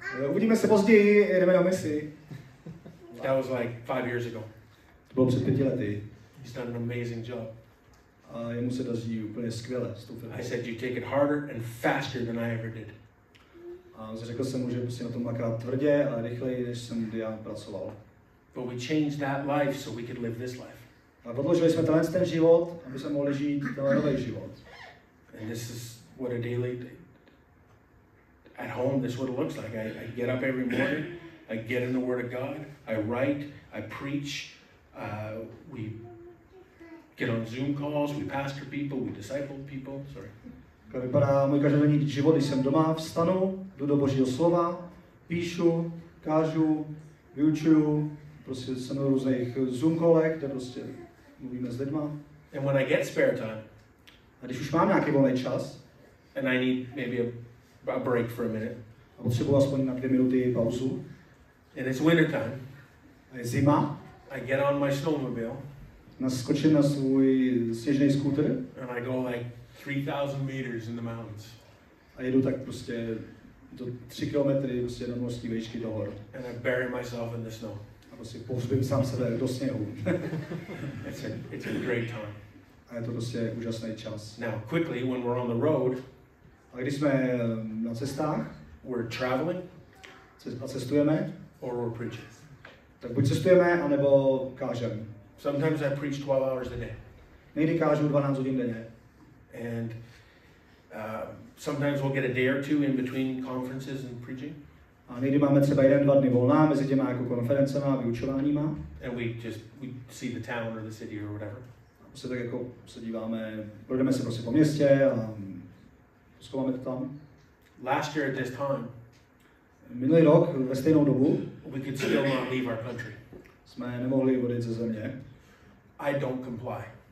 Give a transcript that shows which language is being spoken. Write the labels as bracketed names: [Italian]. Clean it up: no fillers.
[Czech] Uvidíme se později. Jdeme na misi. [English] That was like 5 years ago. [Czech] To bylo před 5 lety. [English] He's done an amazing job. [Czech] A jemu se daří úplně skvěle s tou firmou. [English] I said you take it harder and faster than I ever did. [Czech] A řekl jsem mu, že musím na tom makrát tvrdě a rychleji, než jsem kdy já pracoval. [English] But we changed that life so we could live this life. [Czech] A odložili jsme tenhle ten život, aby jsme mohli žít tenhle nový život. [English] And this is what a daily at home, this is what it looks like. I get up every morning, I get in the Word of God, I write, I preach, we get on Zoom calls, we pastor people, we disciple people. Sorry. [Czech] To vypadá můj každodenní život, když jsem doma, vstanu, jdu do Božího slova, píšu, kážu, vyučuju, prostě jsem na různých Zoom callech, kde prostě mluvíme s lidma. [English] And when I get spare time, [Czech] a když už mám nějaký volný čas, [English] and I need maybe a break for a minute, [Czech] a potřebuji aspoň na 2 minuty pauzu, [English] and it's winter time, [Czech] a je zima, [English] I get on my snowmobile, [Czech] naskočím na svůj sněžný skuter, [English] and I go like 3,000 meters in the mountains. [Czech] A jedu tak prostě do 3 kilometry prostě do mořské výšky do hor. [English] And I bury myself in the snow. [Czech] A prostě pohřbím sám sebe do sněhu. [English] It's a great time. [Czech] A je to prostě úžasný čas. [English] Now, quickly, when we're on the road, [Czech] a když jsme na cestách, [English] we're traveling, [Czech] a cestujeme, [English] or we're preaching. [Czech] Tak buď cestujeme, anebo kážem. [English] Sometimes I preach 12 hours a day. [Czech] Někdy kážu 12 hodin denně. [English] And sometimes we'll get a day or two in between conferences and preaching. [Czech] A někdy máme třeba 1-2 dny volná mezi těma jako konferencema a vyučováníma. [English] And we see the town or the city or whatever. [Czech] A se tak jako se díváme, projdeme se prostě po městě a zkoumáme to tam. [English] Last year at this time, [Czech] minulý rok ve stejnou dobu, [English] we could still not leave our country. [Czech] Jsme nemohli odejít ze země. [English] I don't comply.